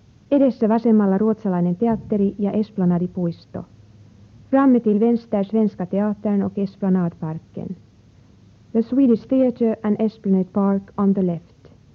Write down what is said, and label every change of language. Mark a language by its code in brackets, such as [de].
[fi] Edessä vasemmalla ruotsalainen teatteri ja esplanadipuisto. [sv] Framme till vänster Svenska teatern och Esplanadparken. [en] The Swedish Theatre and Esplanade Park on the left.